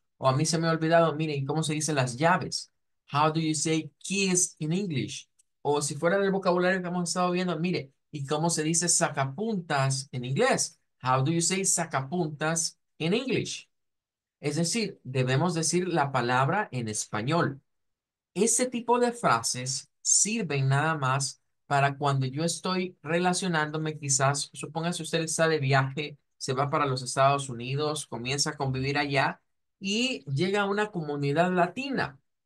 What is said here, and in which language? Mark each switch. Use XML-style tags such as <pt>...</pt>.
<es>O a mí se me ha olvidado, miren, cómo se dicen las llaves.</es> <en>How do you say keys in English?</en> <es>O si fuera del vocabulario que hemos estado viendo, mire, ¿y cómo se dice sacapuntas en inglés? How do you say sacapuntas in English? Es decir, debemos decir la palabra en español. Ese tipo de frases sirven nada más para cuando yo estoy relacionándome, quizás, supóngase usted está de viaje, se va para los Estados Unidos, comienza a convivir allá y llega a una comunidad latina.</es>